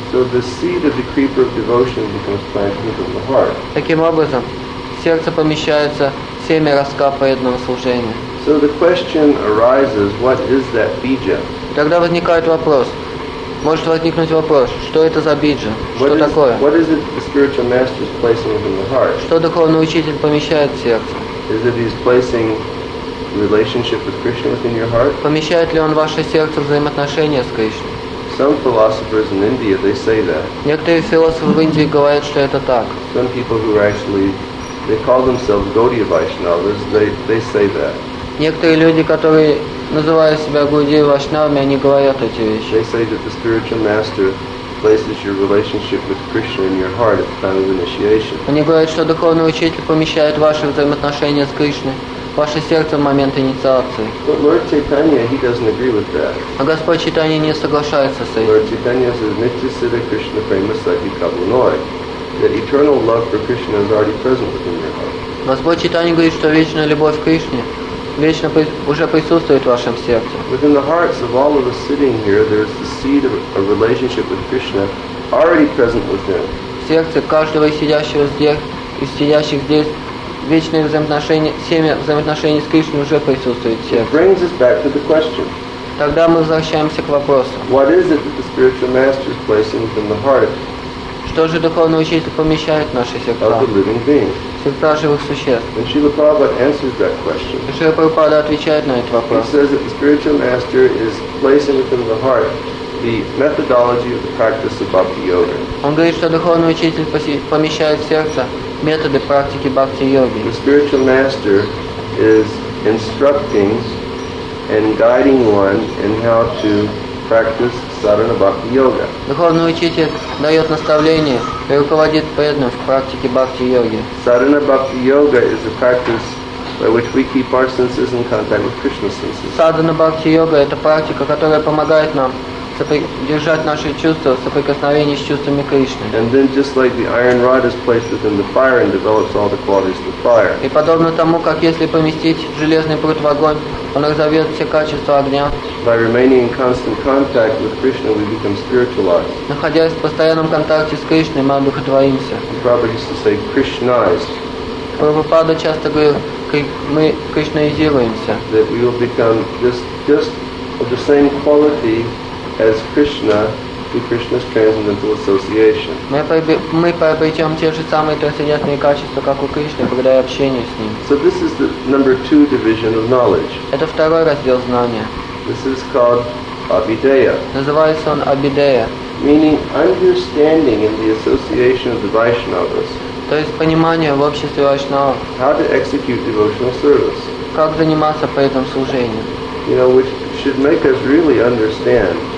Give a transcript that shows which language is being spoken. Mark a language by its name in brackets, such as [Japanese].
[English] So the seed of the creeper of devotion becomes planted within the heart. [Russian] Таким образом, в сердце помещается семя ростка преданного служения. [English] So the question arises, what is that bija? [Russian] Тогда возникает вопрос, может возникнуть вопрос, что это за биджа, что такое? [English] What is it the spiritual master is placing within the heart? [Russian] Что духовный учитель помещает в сердце? [English] Is it he's placing relationship with Krishna within your heart? [Russian] Помещает ли он в ваше сердце взаимоотношения с Кришной? [English] some philosophers in India, they say that. [Russian] Некоторые философы в Индии говорят, что это так. [English] Some people who are actually, they call themselves Gaudiya Vaishnavas, they say that. [Russian] Некоторые люди, которые называют себя Гаудия Вайшнавами, они говорят эти вещи. [English] They say that the spiritual master places your relationship with Krishna in your heart at the time of initiation. [Russian] Они говорят, что духовный учитель помещает ваши взаимоотношения с Кришной. Ваше сердце в момент инициации. [English] But Lord Chaitanya, he doesn't agree with that. [Russian] А Господь Чайтанья не соглашается с этим. [English] Lord Chaitanya says, [Sanskrit] Nitya Siddha Krishna Prema Sakhi Kabunoi. [English] The eternal love for Krishna is already present within your heart. [Russian] Господь Чайтанья говорит, что вечная любовь к Кришне вечно уже присутствует в вашем сердце. [English] Within the hearts of all of us sitting here, there is the seed of a relationship with Krishna already present within. [Russian] В сердце каждого сидящих здесь вечное взаимоотношение, семя взаимоотношений с Кришной уже присутствует в сердце. [English] It brings us back to the question. [Russian] Тогда мы возвращаемся к вопросу. [English] What is it that the spiritual master is placing within the heart? [Russian] Что же духовный учитель помещает в наши сердца? [English] Of the living being. [Russian] Сердца живых существ. [English] And Srila Prabhupada answers that question. [Russian] Srila Prabhupada отвечает на этот вопрос. [English] He says that the spiritual master is placing within the heart the methodology of the practice of Bhakti Yoga. [Russian] Он говорит, что духовный учитель помещает в сердце методы практики бхакти-йоги. [English] The spiritual master is instructing and guiding one in how to practice sadhana bhakti-yoga. [Russian] Духовный учитель дает наставление и руководит преданным в практике бхакти-йоги. [English] Sadhana bhakti-yoga is a practice by which we keep our senses in contact with Krishna's senses. [Russian] Sadhana bhakti-yoga – это практика, которая помогает нам держать наши чувства в соприкосновении с чувствами Кришны. [English] And then just like the iron rod is placed within the fire and develops all the qualities of the fire. [Russian] И подобно тому, как если поместить железный прут в огонь, он разовьет все качества огня. [English] By remaining in constant contact with Krishna, we become spiritualized. [Russian] Находясь в постоянном контакте с Кришной, мы одухотворимся. [English] Prabhupada used to say, Krishnaized. [Russian] Прабхупада часто говорил, мы кришнаизируемся. [English] That we will become just of the same quality as Krishna through Krishna's transcendental association. [Russian] Мы приобретем те же самые трансцендентные качества, как у Кришны, благодаря общению с Ним. [English] So this is the number two division of knowledge. [Russian] Это второй раздел знания. [English] This is called Abhideya. [Russian] Называется он Abhideya. [English] Meaning understanding in the association of the Vaishnavas. [Russian] То есть понимание в обществе Вайшнавов. [English] How to execute devotional service. [Russian] Как заниматься по этому служению. [English] You know, which should make us really understand.